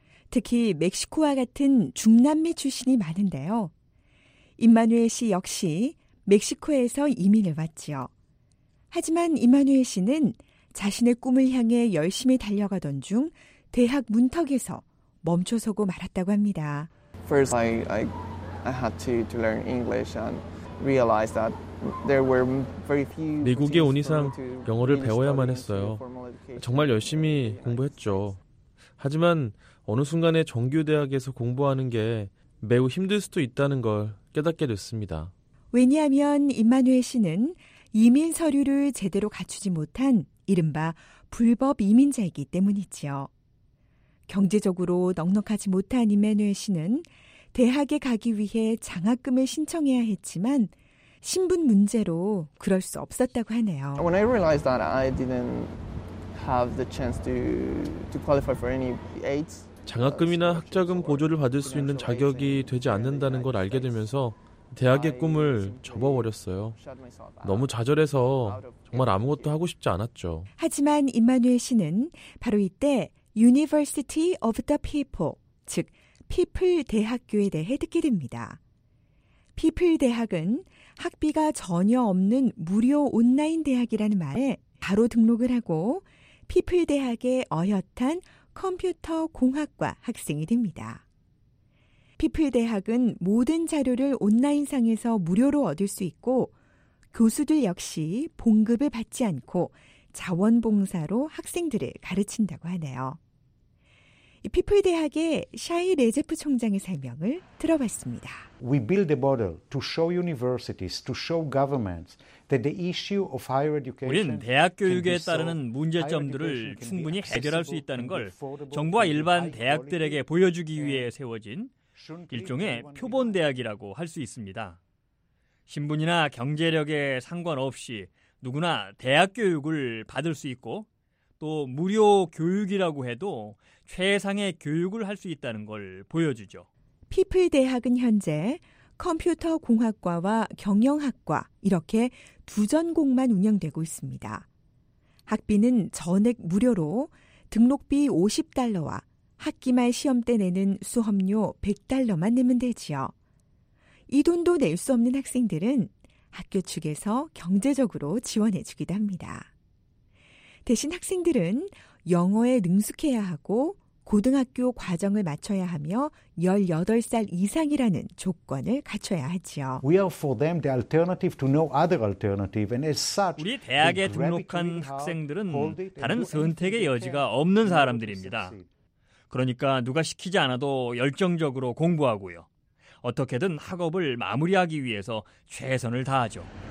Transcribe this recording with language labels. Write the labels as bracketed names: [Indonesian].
[Korean] 특히 멕시코와 같은 중남미 출신이 많은데요. 임마누엘 씨 역시 멕시코에서 이민을 왔지요. 하지만 임마누엘 씨는 자신의 꿈을 향해 열심히 달려가던 중 대학 문턱에서 멈춰서고 말았다고 합니다. [English] First, I had to learn English and realize that [Korean] 미국에 온 이상 영어를 배워야만 했어요. 정말 열심히 공부했죠. 하지만 어느 순간에 정규대학에서 공부하는 게 매우 힘들 수도 있다는 걸 깨닫게 됐습니다. 왜냐하면 임마누엘 씨는 이민 서류를 제대로 갖추지 못한 이른바 불법 이민자이기 때문이지요. 경제적으로 넉넉하지 못한 임마누엘 씨는 대학에 가기 위해 장학금을 신청해야 했지만 신분 문제로 그럴 수 없었다고 하네요. [English] When I realized that I didn't have the chance to qualify for any aids, [Korean] 장학금이나 학자금 보조를 받을 수 있는 자격이 되지 않는다는 걸 알게 되면서 대학의 꿈을 접어버렸어요. 너무 좌절해서 정말 아무것도 하고 싶지 않았죠. 하지만 임마누엘 씨는 바로 이때 University of the People, 즉 피플 대학교에 대해 듣게 됩니다. 피플 대학은 학비가 전혀 없는 무료 온라인 대학이라는 말에 바로 등록을 하고 피플 대학의 어엿한 컴퓨터 공학과 학생이 됩니다. 피플 대학은 모든 자료를 온라인상에서 무료로 얻을 수 있고 교수들 역시 봉급을 받지 않고 자원봉사로 학생들을 가르친다고 하네요. 피플 대학의 샤이 레제프 총장의 설명을 들어봤습니다. [English] We build a model to show universities, to show governments that the issue of higher education. [Korean] 우리는 대학 교육에 따르는 문제점들을 충분히 해결할 수 있다는 걸 정부와 일반 대학들에게 보여주기 위해 세워진 일종의 표본 대학이라고 할 수 있습니다. 신분이나 경제력에 상관없이 누구나 대학 교육을 받을 수 있고 또 무료 교육이라고 해도 최상의 교육을 할 수 있다는 걸 보여주죠. 피플 대학은 현재 컴퓨터 공학과와 경영학과 이렇게 두 전공만 운영되고 있습니다. 학비는 전액 무료로 등록비 $50와 학기말 시험 때 내는 수업료 $100만 내면 되지요. 이 돈도 낼 수 없는 학생들은 학교 측에서 경제적으로 지원해 주기도 합니다. 대신 학생들은 영어에 능숙해야 하고 고등학교 과정을 마쳐야 하며 18살 이상이라는 조건을 갖춰야 하지요. [English] We are for them the alternative to no other alternative and as such [Korean] 우리 대학에 등록한 학생들은 다른 선택의 여지가 없는 사람들입니다. 그러니까 누가 시키지 않아도 열정적으로 공부하고요. 어떻게든 학업을 마무리하기 위해서 최선을 다하죠.